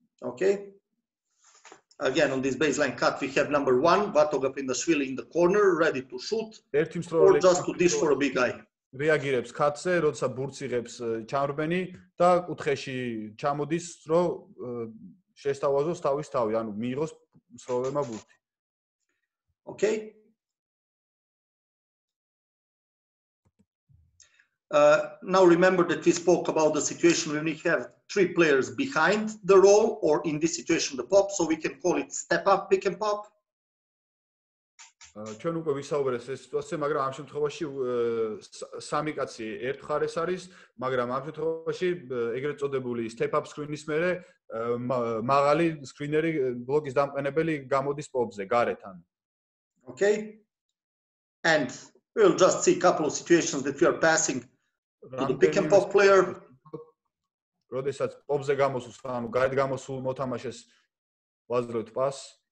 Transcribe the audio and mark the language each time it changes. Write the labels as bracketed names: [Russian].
[English] Okay, again on this baseline cut we have number 1 Vatogapindashvili in the corner ready to shoot [Georgian] ერთი მსროლელი [English] just to dish for a big guy [Georgian] რეაგირებს კაცზე როცა ბურთს იღებს ჩარბენი და კუთხეში ჩამოდის რომ შესთავაზოს თავის თავი, ანუ მიიღოს მსროლელმა ბურთი. [English] Okay. Now remember that we spoke about the situation when we have three players behind the role, or in this situation the pop, so we can call it step up pick and pop. [Georgian] ჩვენ უკვე ვისაუბრეთ ეს სიტუაციაზე, მაგრამ ამ შემთხვევაში სამი კაცი ერთ ხარეს არის, მაგრამ ამ შემთხვევაში ეგრეთ წოდებული step up screen-ის მერე მაღალი screener-ი ბლოკის დამყენებელი გამოდის პოპზე გარეთან. [English] Okay? And we'll just see a couple of situations that we are passing to the pick and pop player. [Georgian] როდესაც პოპზე გამოსულს, ანუ გარეთ გამოსულ მოთამაშეს ვაძლევთ პას.